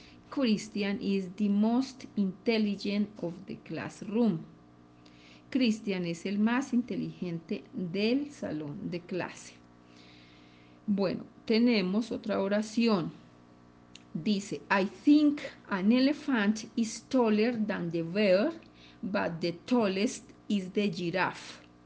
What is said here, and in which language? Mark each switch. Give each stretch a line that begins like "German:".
English: Christian is the most intelligent of the classroom.
Spanish: Christian es el más inteligente del salón de clase. Bueno, tenemos otra oración.
English: Dice: I think an elephant is taller than the bear, but the tallest is the giraffe.